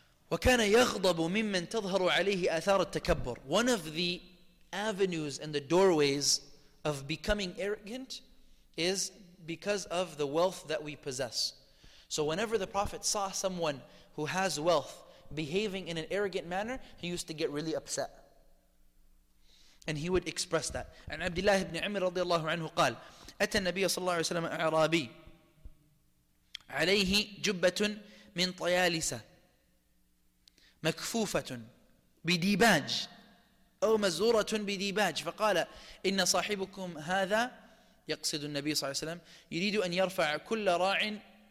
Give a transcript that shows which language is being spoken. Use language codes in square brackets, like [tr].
[ar] وكان يغضب ممن تظهر عليه آثار التكبر. [en] One of the avenues and the doorways of becoming arrogant is because of the wealth that we possess. So whenever the Prophet saw someone who has wealth behaving in an arrogant manner, he used to get really upset. And he would express that. And Abdullah ibn Amr [ar] رضي الله عنه قال أتى النبي صلى الله عليه وسلم أعرابي عليه جبة من طيالسة مكفوفة بديباج أو مزورة بديباج فقال إن صاحبكم هذا يقصد النبي صلى الله عليه وسلم يريد أن يرفع كل راع